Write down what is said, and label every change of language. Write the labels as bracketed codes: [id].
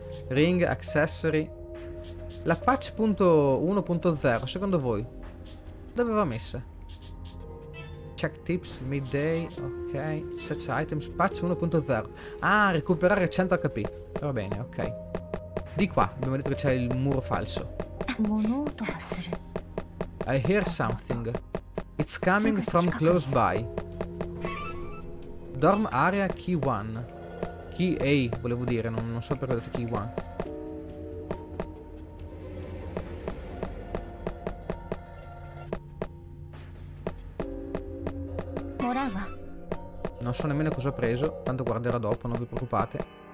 [en] Ring, accessory. [it] La patch 1.0, secondo voi, dove va messa? [en] Check tips, midday, ok. Search items, patch 1.0. [it] Ah, recuperare 100 HP. Va bene, ok. Di qua, abbiamo detto che c'è il muro falso. [en] I hear something. It's coming from close by. Dorm area key 1. [it] Key A, volevo dire, non so perché ho detto Key 1. Morava. Non so nemmeno cosa ho preso, tanto guarderò dopo, non vi preoccupate.